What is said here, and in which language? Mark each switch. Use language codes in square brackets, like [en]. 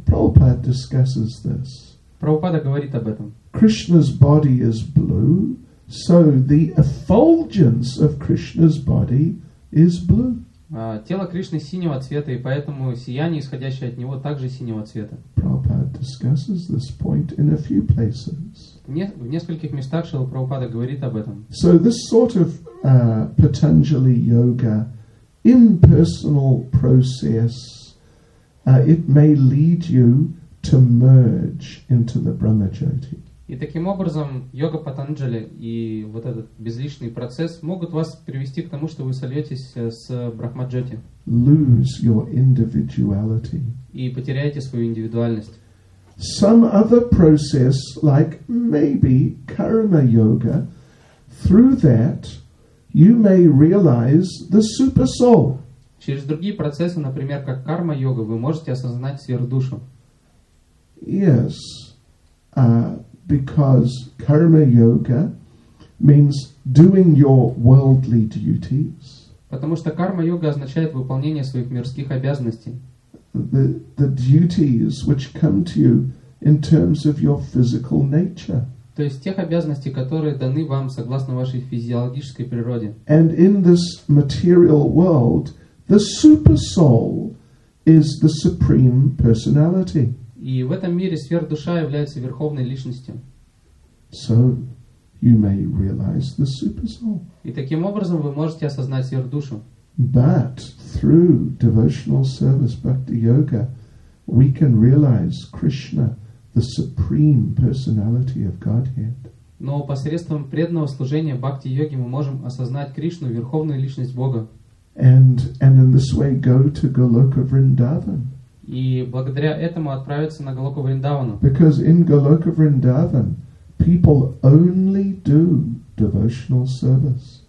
[en] Prabhupada discusses this. [ru] Prabhupada говорит об этом. [en] Krishna's body is blue, so the effulgence of Krishna's body is blue. [ru] Тело Кришны синего цвета, и поэтому сияние, исходящее от него, также синего цвета. [en] Prabhupada discusses this point in a few places. [ru] В нескольких местах Шрила Прабхупада говорит об этом. [en] So this sort of Patanjali yoga, impersonal process, it may lead you to merge into the Brahmajyoti. [ru] И таким образом, йога Патанджали и вот этот безличный процесс могут вас привести к тому, что вы сольетесь с Брахмаджоти. [en] Lose your individuality. [ru] И потеряете свою индивидуальность. [en] Some other process, like maybe karma yoga, through that you may realize the super soul. [ru] Через другие процессы, например, как карма йога, вы можете осознать сверхдушу. [en] Yes. Because karma yoga means doing your worldly duties. [ru] Потому что карма йога означает выполнение своих мирских обязанностей. [en] The duties which come to you in terms of your physical nature. [ru] То есть тех обязанностей, которые даны вам согласно вашей физиологической природе. [en] And in this material world, the super soul is the supreme personality. [ru] И в этом мире сверхдуша является верховной личностью. [en] So you may realize the super soul. [ru] И таким образом вы можете осознать сверхдушу. [en] But through devotional service, bhakti yoga, we can realize Krishna, the supreme personality of Godhead. [ru] Но посредством преданного служения бхакти йоги мы можем осознать Кришну, верховную личность Бога. [en] And in this way go to Goloka Vrindavan. [ru] И благодаря этому отправиться на Голоку Вриндавану. [en] Because in Goloka Vrindavan, people only do devotional service.